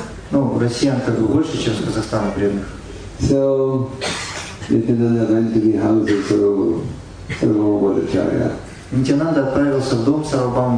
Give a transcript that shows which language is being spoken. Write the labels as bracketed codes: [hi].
[ru] Ну, россиян как бы больше, чем из Казахстана преданных. [en] So, Nityananda went to the house of Sarvabhauma. [ru] Нитянанда отправился в дом Сарвабхама